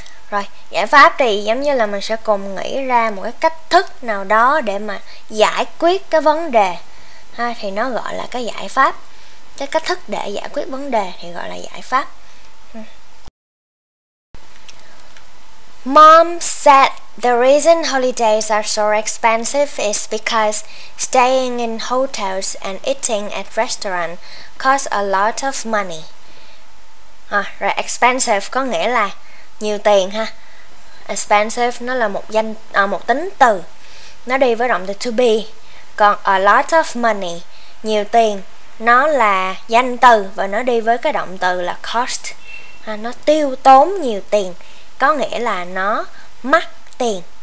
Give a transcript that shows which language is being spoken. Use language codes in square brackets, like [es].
[vi] Rồi, giải pháp thì giống như là mình sẽ cùng nghĩ ra một cái cách thức nào đó để mà giải quyết cái vấn đề ha, thì nó gọi là cái giải pháp. Cái cách thức để giải quyết vấn đề thì gọi là giải pháp. [en] Mom said the reason holidays are so expensive is because staying in hotels and eating at restaurants costs a lot of money. [vi] Rồi, expensive có nghĩa là nhiều tiền ha. Expensive nó là một tính từ, nó đi với động từ to be. Còn [en] a lot of money, [vi] nhiều tiền, nó là danh từ và nó đi với cái động từ là cost ha, nó tiêu tốn nhiều tiền, có nghĩa là nó mắc tiền.